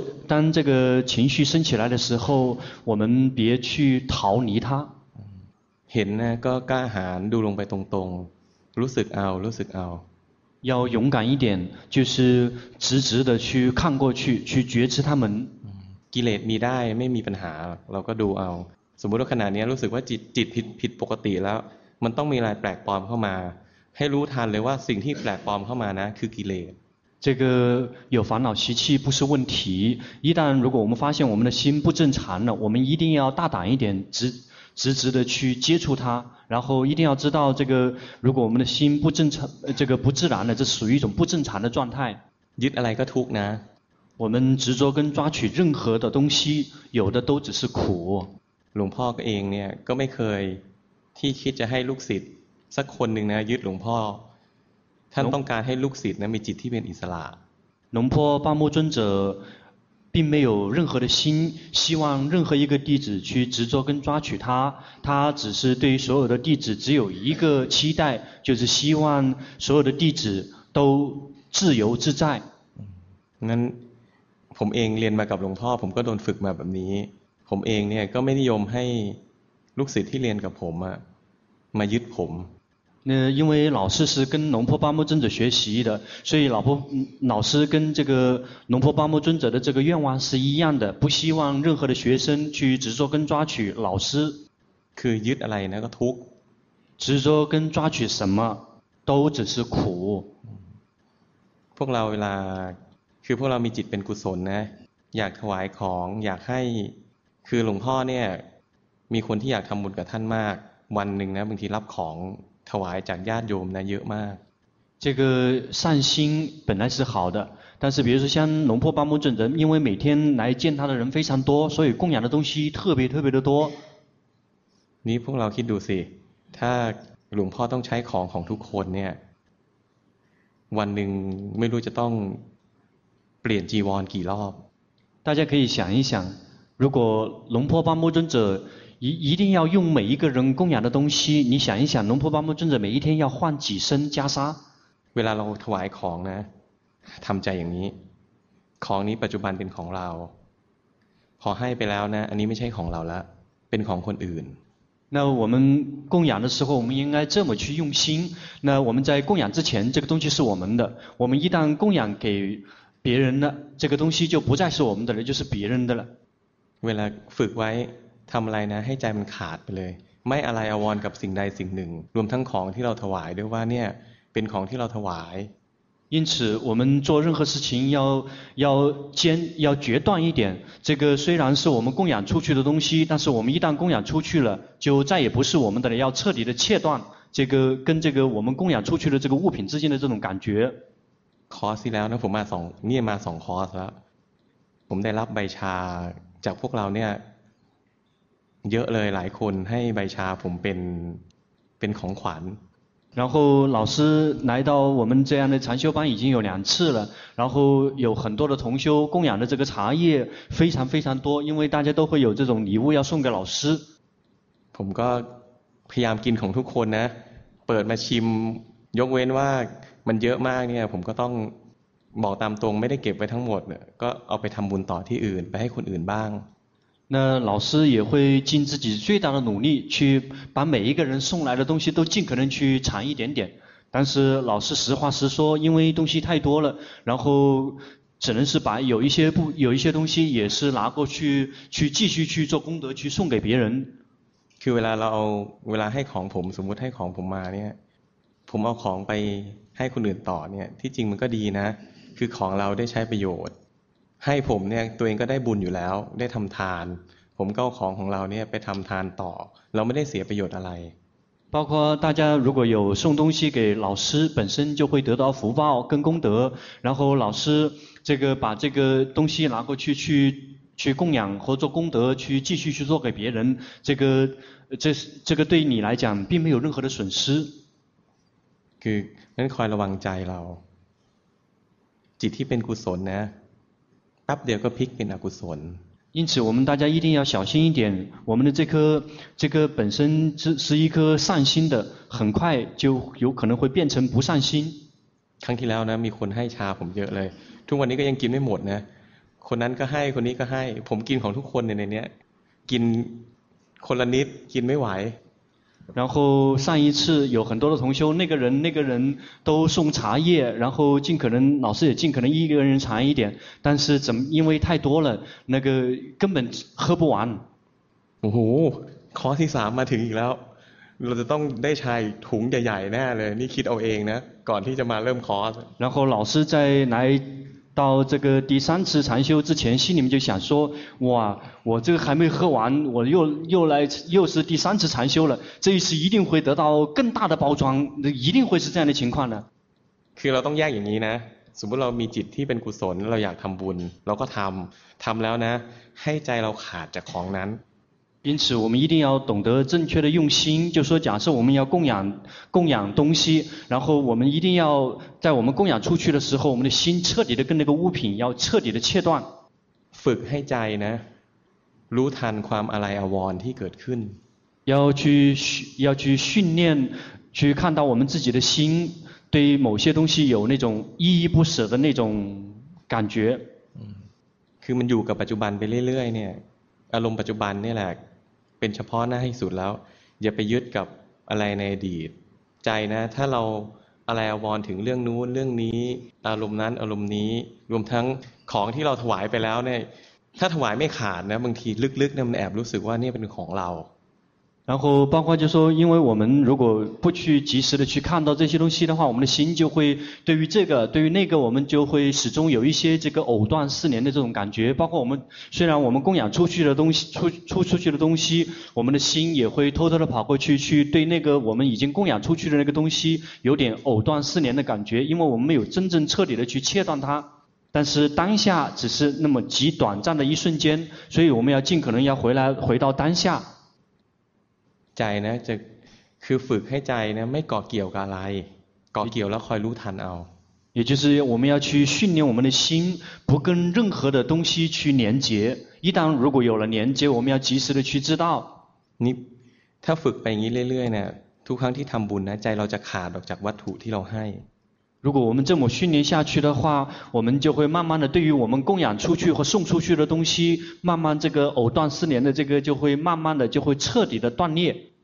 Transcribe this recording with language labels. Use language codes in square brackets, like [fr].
[zh] 当这个情绪升起来的时候我们别去逃离它 [th] เห็นนะก็กล้าหาญดูลงไปตรงๆรู้สึกเอา [zh] 要勇敢一点就是直直的去看过去去觉知它们 [th] กิเลสมีได้ไม่มีปัญหาเราก็ดูเอาสมมติว่าขณะนี้รู้สึกว่าจิตผิดปกติแล้วมันต้องมีอะไรแปลกปลอมเข้ามาให้รู้ทันเลยว่าสิ่งที่แปลกปลอมเข้ามานะคือกิเลส [zh] 这个有烦恼习气不是问题，一旦如果我们发现我们的心不正常了，我们一定要大胆一点，直的去接触它，然后一定要知道这个，如果我们的心不正常，这个不自然的，这属于一种不正常的状态。 [th] ยึดอะไรก็ทุกนะ [zh] 我们执着跟抓取任何的东西，有的都只是苦。 [th] หลวงพ่อก็เองเนี่ยก็ไม่เคยที่คิดจะให้ลูกศิษย์สักคนหนึ่งนะยึดหลวงพ่อท่านต้องการให้ลูกศิษย์นั้นมีจิตที่เป็นอิสระ [zh] 龙坡巴木尊者并没有任何的心希望任何一个弟子去执着跟抓取他，他只是对于所有的弟子只有一个期待，就是希望所有的弟子都自由自在。 [th] นั้นผมเองเรียนมากับหลวงพ่อผมก็โดนฝึกมาแบบนี้ผมเองเนี่ยก็ไม่นิยมให้ลูกศิษย์ที่เรียนกับผมมายึดผม [zh] 因为老师是跟龙婆巴木尊者学习的，所以老师跟这个龙婆巴木尊者的这个愿望是一样的，不希望任何的学生去执着跟抓取老师。 [th] คือยึดอะไรนะก็ทุก [zh] 执着跟抓取什么都只是苦。 [th] พวกเราเวลาคือพวกเรามีจิตเป็นกุศลนะอยากถวายของอยากให้คือหลวงพ่อเนี่ยมีคนที่อยากทำบุญกับท่านมากวันหนึ่งนะบางทีรับของถวายจากญาติโยมนะเยอะมาก [zh] 这个善心本来是好的，但是比如说像龙婆巴木尊者，因为每天来见他的人非常多，所以供养的东西特别特别的多。 [th] นี่พวกเราคิดดูสิถ้าหลวงพ่อต้องใช้ของของทุกคนเนี่ยวันหนึ่งไม่รู้จะต้องเปลี่ยนจีวรกี่รอบ [zh] 大家可以想一想，如果龙婆巴木尊者一定要用每一个人供养的东西，你想一想，龙婆巴木尊者每一天要换几身袈裟。 [th] เวลาเราถวายของนะทำใจอย่างนี้ของนี้ปัจจุบันเป็นของเราพอให้ไปแล้วนะอันนี้ไม่ใช่ของเราละเป็นของคนอื่น [zh] 那我们供养的时候，我们应该这么去用心。那我们在供养之前，这个东西是我们的。我们一旦供养给别人了，这个东西就不再是我们的了，就是别人的了。 [th] เวลาฝึกไว้ทำอะไรนะให้ใจมันขาดไปเลยไม่อะไรอวรกับสิ่งใดสิ่งหนึ่งรวมทั้งของที่เราถวายด้วยว่าเนี่ยเป็นของที่เราถวาย [zh] 因此我们做任何事情要决断一点这个虽然是我们供养出去的东西但是我们一旦供养出去了就再也不是我们的了要彻底的切断这个跟这个我们供养出去的这个物品之间的这种感觉 [th] คอร์สแล้วนะผมมาสองเนี่ยมาสองคอร์สแล้วผมได้รับใบชาจากพวกเราเนี่ยเยอะเลยหลายคนให้ใบชาผมเป็นของขวัญ [zh] 然后老师来到我们这样的禅修班已经有两次了然后有很多的同修供养的这个茶叶非常非常多因为大家都会有这种礼物要送给老师 [th] ผมก็พยายามกินของทุกคนนะเปิดมาชิมยกเว้นว่ามันเยอะมากเนี่ยผมก็ต้องบอกตามตรงไม่ได้เก็บไว้ทั้งหมดเนี่ยก็เอาไปทำบุญต่อที่อื่นไปให้คนอื่นบ้าง [zh] 那老师也会尽自己最大的努力去把每一个人送来的东西都尽可能去尝一点点但是老师实话实说因为东西太多了然后只能是把有一些东西也是拿过去继续去做功德去送给别人 [th] คือเวลาเราเวลาให้ของผมสมมติให้ของผมมาเนี่ยผมเอาของไปให้คนอื่นต่อเนี่ยที่จริงมันก็ดีนะคือของเราได้ใช้ประโยชน์ให้ผมเนี่ยตัวเองก็ได้บุญอยู่แล้วได้ทำทานผมก็เอาของของเราเนี่ยไปทำทานต่อเราไม่ได้เสียประโยชน์อะไร [zh] 包括大家如果有送东西给老师本身就会得到福报跟功德然后老师这个把这个东西拿过去供养或做功德去继续去做给别人这个对你来讲并没有任何的损失 [th] คือนั้นคอยระวังใจเราจิตที่เป็นกุศลนะแป๊บเดียวก็พลิกเป็นอกุศล [zh] 因此我们大家一定要小心一点我们的这颗本身是一颗善心的很快就有可能会变成不善心 [th] ครั้งที่แล้วนะมีคนให้ชาผมเยอะเลยทุกวันนี้ก็ยังกินไม่หมดนะคนนั้นก็ให้คนนี้ก็ให้ผมกินของทุกคนในนี้กินคนละนิดกินไม่ไหว [zh] 然后上一次有很多的同修那个人都送茶叶然后尽可能老师也尽可能一个人尝一点但是怎么因为太多了那个根本喝不完 [th] โอ้โหคอร์สที่สามมาถึงอีกแล้วเราจะต้องได้ใช้ถุงใหญ่ๆแน่เลยนี่คิดเอาเองนะก่อนที่จะมาเริ่มคอร์ส [zh] 然后老师在来到这个第三次禅修之前心里面就想说哇我这个还没喝完我又来又是第三次禅修了这一次一定会得到更大的包装一定会是这样的情况的 [th] คือเราต้องแยกอย่างนี้นะสมมติเรามีจิตที่เป็นกุศลเราอยากทำบุญเราก็ทำแล้วนะให้ใจเราขาดจากของนั้น [zh] 因此我们一定要懂得正确的用心就说假设我们要供养东西然后我们一定要在我们供养出去的时候我们的心彻底的跟那个物品要彻底的切断 [th] ฝึกให้ใจนะรู้ทันความอะไรอวรณ์ที่เกิดขึ้น [zh] 要去训练去看到我们自己的心对某些东西有那种依依不舍的那种感觉 [th] คือมันอยู่กับปัจจุบันไปเรื่อยๆเนี่ยอารมณ์ปัจจุบันนี่แหละเป็นเฉพาะหน้าให้สุดแล้วอย่าไปยึดกับอะไรในอดีตใจนะถ้าเราอะไรอวรถึงเรื่องนู้นเรื่องนี้อารมณ์นั้นอารมณ์นี้รวมทั้งของที่เราถวายไปแล้วเนี่ยถ้าถวายไม่ขาดนะบางทีลึกๆเนี่ยมันแอบรู้สึกว่านี่เป็นของเรา [zh] 然后包括就说因为我们如果不去及时的去看到这些东西的话我们的心就会对于这个对于那个我们就会始终有一些这个藕断丝连的这种感觉包括我们虽然我们供养出去的东西出去的东西我们的心也会偷偷的跑过去去对那个我们已经供养出去的那个东西有点藕断丝连的感觉因为我们没有真正彻底的去切断它但是当下只是那么极短暂的一瞬间所以我们要尽可能要回到当下 [th] ใจนะจะคือฝึกให้ใจนะไม่เกาะเกี่ยวกับอะไรเกาะเกี่ยวแล้วคอยรู้ทันเอา [zh] 也就是我们要去训练我们的心不跟任何的东西去连接一旦如果有了连接我们要及时的去知道 [th] นี่ถ้าฝึกไปงี้เรื่อยๆเนี่ยทุกครั้งที่ทำบุญนะใจเราจะขาดออกจากวัตถุที่เราให้ [zh] 如果我们这么训练下去的话我们就会慢慢的对于我们供养出去和送出去的东西慢慢这个藕断丝连的这个就会慢慢的就会彻底的断裂